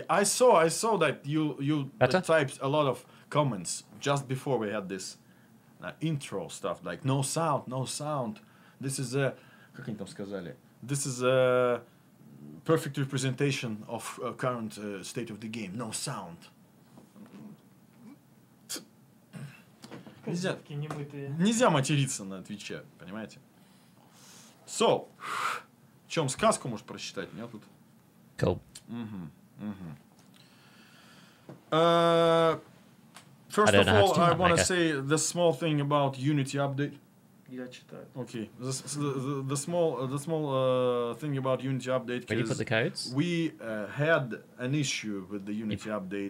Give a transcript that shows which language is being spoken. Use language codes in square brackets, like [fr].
[en] I saw that you typed a lot of comments just before we had this intro stuff. Like no sound. This is a perfect representation of current state of the game. No sound. [ru] Нельзя материться на Твиче, понимаете? So, чем сказку можешь прочитать? Нет тут. [en] Cool. First of all, I want to say the small thing about Unity update. [ru] Я читаю. [en] Okay. The small thing about Unity update. Where do you put the codes? We had an issue with the Unity update.